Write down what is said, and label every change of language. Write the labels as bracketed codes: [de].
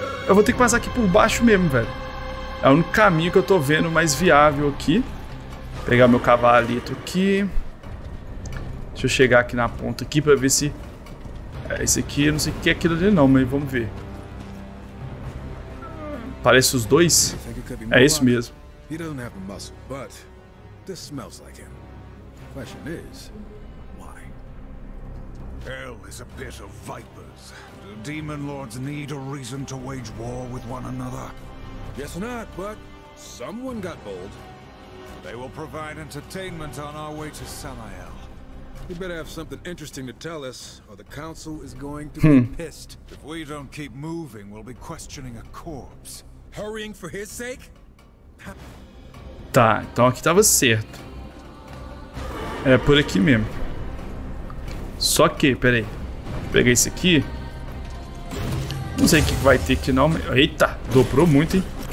[pt] Eu vou ter que passar aqui por baixo mesmo, velho. É o único caminho que eu tô vendo mais viável aqui. Pegar meu cavalito aqui. Deixa eu chegar aqui na ponta aqui pra ver se... É, esse aqui, eu não sei o que é aquilo ali não, mas vamos ver. Parece os dois? É isso mesmo. [en] He doesn't have a muscle, but this smells like him. Question is, why? Hell is a pit of vipers. Do demon lords need a reason to wage war with one another? Guess not, but someone got bold. They will provide entertainment on our way to Samael. You better have something interesting to tell us, or the council is going to be pissed. If we don't keep moving, we'll be questioning a corpse. Hurrying for his sake? [pt] Tá, então aqui tava certo. É por aqui mesmo. Só que, peraí. Vou pegar esse aqui. Não sei o que vai ter aqui não. Eita, dobrou muito, hein.